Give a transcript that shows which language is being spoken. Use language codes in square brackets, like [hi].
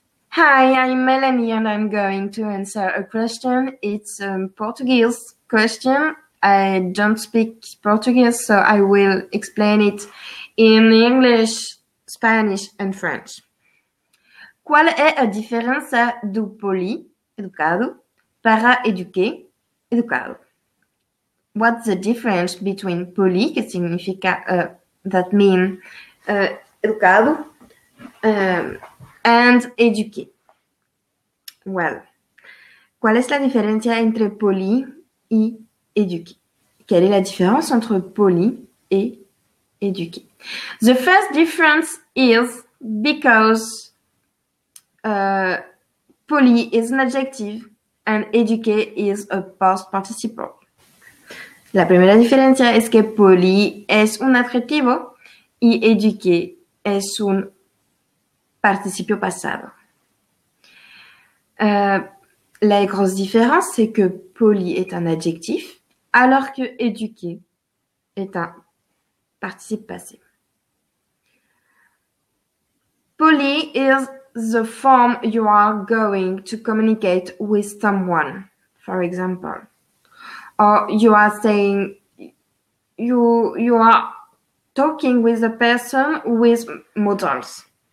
[en] Hi, I'm Melanie and I'm going to answer a question. It's a Portuguese question. I don't speak Portuguese, so I will explain it in English, Spanish, and French. [pt] Qual é a diferença do poli, educado, para éduqué, educado? [en] What's the difference between poli, [es] que significa, [en] that mean, educado, and éduqué? Well, [es] ¿cuál es la diferencia entre poli y éduqué? [fr] ¿Quelle est la différence entre poli et éduqué? [en] The first difference is because poli is an adjective and éduqué is a past participle. [es] La primera diferencia es que poli es un adjetivo y éduqué es un participio pasado. [fr] La grosse différence, c'est que poli est un adjectif, alors que éduqué est un participe passé. [en] Poli is the form you are going to communicate with someone, for example. Or you are saying, you are talking with a person with morals.